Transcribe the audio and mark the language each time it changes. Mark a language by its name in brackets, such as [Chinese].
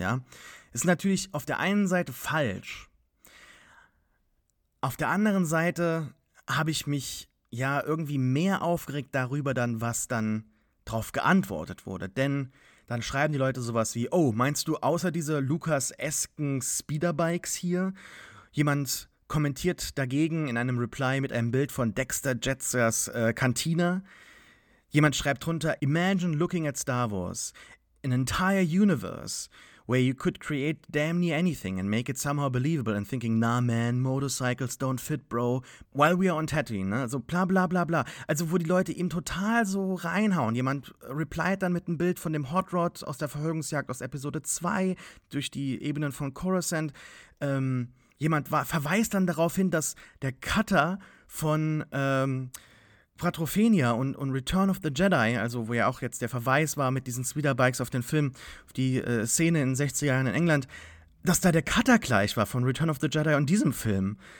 [German] Ja, ist natürlich auf der einen Seite falsch. Auf der anderen Seite habe ich mich ja irgendwie mehr aufgeregt darüber, dann was dann drauf geantwortet wurde, denn dann schreiben die Leute sowas wie, oh, meinst du außer diese Lucas-esken Speederbikes hier? Jemand kommentiert dagegen in einem Reply mit einem Bild von Dexter Jetsers Kantine. Jemand schreibt drunter, [English] imagine looking at Star Wars, an entire universe where you could create damn near anything and make it somehow believable and thinking, nah man, motorcycles don't fit, bro, while we are on Tatooine, ne? [German] So bla bla bla bla. Also wo die Leute ihm total so reinhauen. Jemand replied dann mit einem Bild von dem Hot Rod aus der Verfolgungsjagd aus Episode 2 durch die Ebenen von Coruscant. Jemand verweist dann darauf hin, dass der Cutter von Quattrophenia und Return of the Jedi, also wo ja auch jetzt der Verweis war mit diesen Speederbikes auf den Film, auf die Szene in den 60er Jahren in England, dass da der Cutter gleich war von Return of the Jedi und diesem Film.